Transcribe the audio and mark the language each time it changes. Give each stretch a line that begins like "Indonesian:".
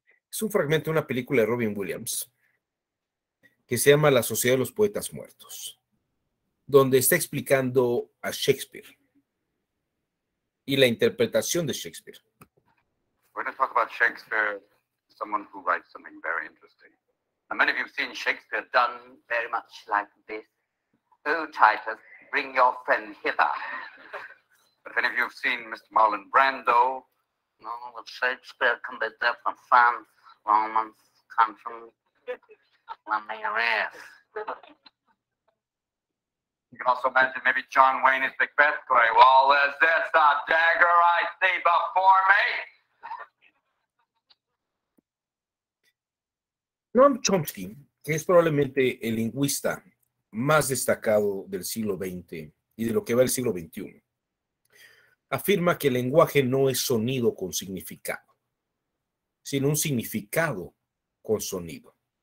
Spanish: Es un fragmento de una película de Robin Williams que se llama La Sociedad de los Poetas Muertos, donde está explicando a Shakespeare y la interpretación de Shakespeare.
English: We're going to talk about Shakespeare, someone who writes something very interesting. And many of you have seen Shakespeare done very much like this. Oh, Titus, bring your friend hither. But if any of you have seen Mr. Marlon Brando, no, well, Shakespeare can be different from Romans, country, Lamarius. You can also imagine maybe John Wayne is Macbeth going, well, is this a dagger I see before me?
Spanish: Noam Chomsky, que es probablemente el lingüista más destacado del siglo XX y de lo que va el siglo XXI, afirma que el lenguaje no es sonido con significado, sino un significado con sonido.